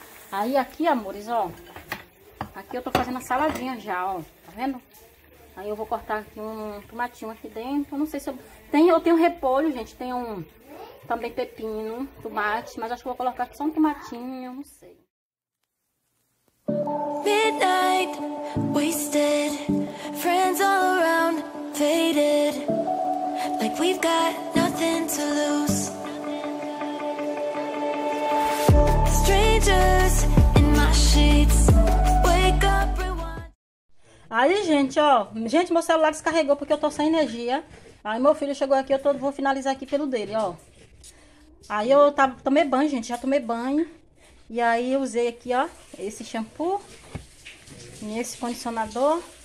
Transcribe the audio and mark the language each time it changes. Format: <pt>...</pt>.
<pt>Aí aqui, amores, ó. Aqui eu tô fazendo a saladinha já, ó. Tá vendo? Aí eu vou cortar aqui um tomatinho aqui dentro. Não sei se eu... Eu tenho repolho, gente. Tem um... Também pepino, tomate, mas acho que vou colocar aqui só um tomatinho, não sei.</pt> <en>Midnight, wasted, friends all around, faded, like we've got nothing to lose. Strangers in my sheets, wake up and watch.</en> <pt>Aí, gente, ó, gente, meu celular descarregou porque eu tô sem energia. Aí meu filho chegou aqui, vou finalizar aqui pelo dele, ó. Aí eu tomei banho, gente, já tomei banho. E aí eu usei aqui, ó, esse shampoo. E esse condicionador.</pt>